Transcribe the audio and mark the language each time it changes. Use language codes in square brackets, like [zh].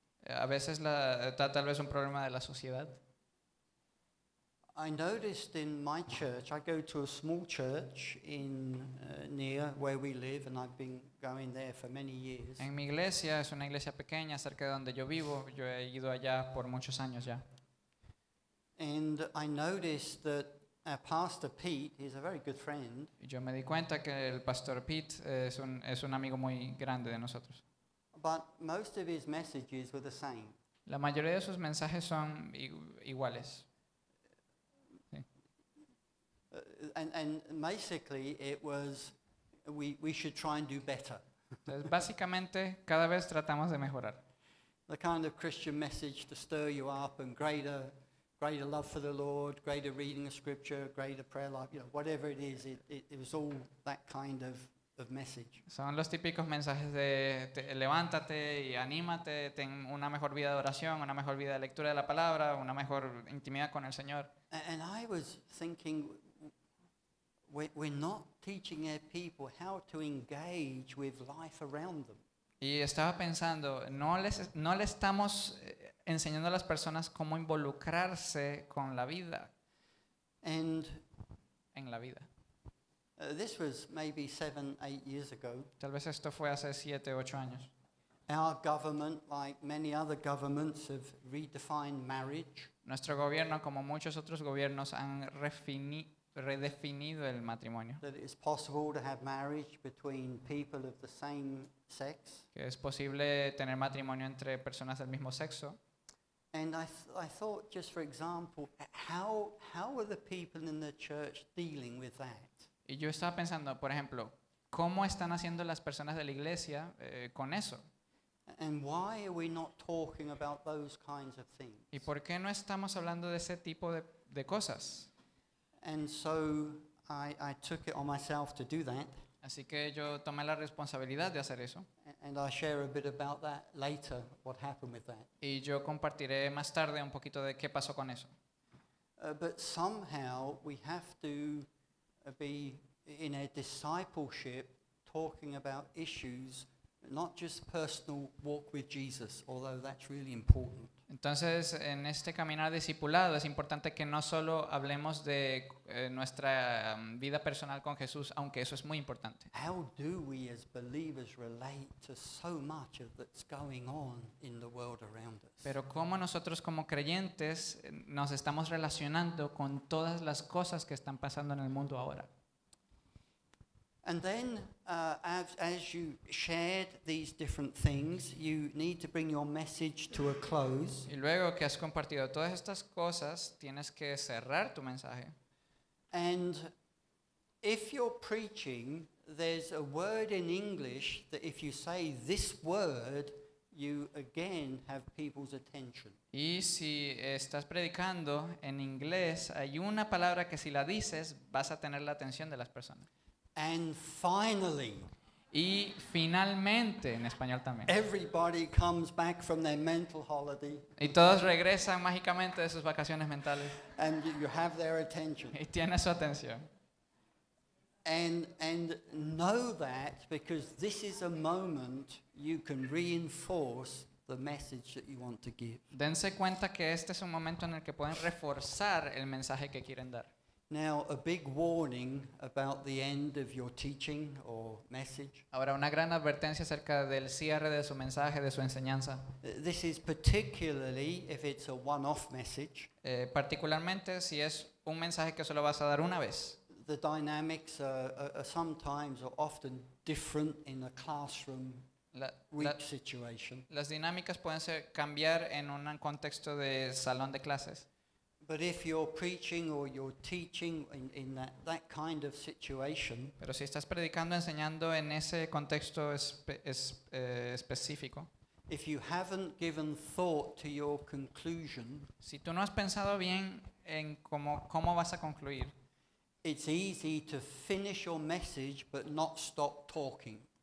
[es] A veces tal vez un problema de la sociedad. [en] I noticed in my church, I go to a small church in near where we live, and I've been going there for many years. [es] En mi iglesia, es una iglesia pequeña cerca de donde yo vivo. Yo he ido allá por muchos años ya. [en] And I noticed that our pastor Pete is a very good friend. [es] Yo me di cuenta que el pastor Pete es un amigo muy grande de nosotros. [en] But most of his messages were the same. [es] La mayoría de sus mensajes son iguales. [en] And basically it was we should try and do better. [es] Entonces, básicamente cada vez tratamos de mejorar. [en] The kind of Christian message to stir you up and greater love for the Lord, greater reading of scripture, greater prayer life, you know, whatever it is, it was all that kind of of message. [es] Son los típicos mensajes de levántate y anímate, ten una mejor vida de oración, una mejor vida de lectura de la palabra, una mejor intimidad con el Señor. [en] And I was thinking, we're not teaching our people how to engage with life around them. [es] Y estaba pensando, no le estamos enseñando a las personas cómo involucrarse con la vida. [en] And [es] en la vida. [en] This was maybe 7-8 years ago. [es] Tal vez esto fue hace 7-8 años. [en] Our government, like many other governments, have redefined marriage. [es] Nuestro gobierno, como muchos otros gobiernos, han redefinido el matrimonio. [en] That it is possible to have marriage between people of the same sex. [es] Que es posible tener matrimonio entre personas del mismo sexo. [en] And I thought, just for example, how are the people in the church dealing with that? [es] Y yo estaba pensando, por ejemplo, ¿cómo están haciendo las personas de la iglesia con eso? [en] And why are we not talking about those kinds of things? [es] ¿Y por qué no estamos hablando de ese tipo de cosas? [en] And so I took it on myself to do that. [es] Así que yo tomé la responsabilidad de hacer eso. [en] And I'll share a bit about that later, what happened with that. [es] Y yo compartiré más tarde un poquito de qué pasó con eso. [en] But somehow we have to be in a discipleship talking about issues, not just personal walk with Jesus, although that's really important. [es] Entonces, en este caminar discipulado es importante que no solo hablemos de nuestra vida personal con Jesús, aunque eso es muy importante. [en] How do we as believers relate to so much of that's going on in the world around us? [es] Pero cómo nosotros como creyentes nos estamos relacionando con todas las cosas que están pasando en el mundo ahora. [en] And then, as you shared these different things, you need to bring your message to a close. [es] Y luego que has compartido todas estas cosas, tienes que cerrar tu mensaje. [en] And if you're preaching, there's a word in English that if you say this word, you again have people's attention. [es] Y si estás predicando en inglés, hay una palabra que si la dices, vas a tener la atención de las personas. [en] And finally, [es] y finalmente, en español también. [en] Everybody comes back from their mental holiday. [es] Y todos regresan mágicamente de sus vacaciones mentales. [en] And you have their attention. [es] Y tiene su atención. [en] And know that because this is a moment you can reinforce the message that you want to give. [es] Dense cuenta que este es un momento en el que pueden reforzar el mensaje que quieren dar. [en] Now, a big warning about the end of your teaching or message. [es] Ahora, una gran advertencia acerca del cierre de su mensaje, de su enseñanza. [en] This is particularly if it's a one-off message. [es] Particularmente si es un mensaje que solo vas a dar una vez. [en] The dynamics are sometimes or often different in a classroom week situation. [es] Las dinámicas pueden cambiar en un contexto de salón de clases. [en] But if you're preaching or you're teaching in that kind of situation, [es] pero si estás predicando, enseñando en ese contexto específico, [en] if you haven't given thought to your conclusion, [es] si tú no has pensado bien en cómo vas a concluir, [en] it's easy to finish your message but not stop talking.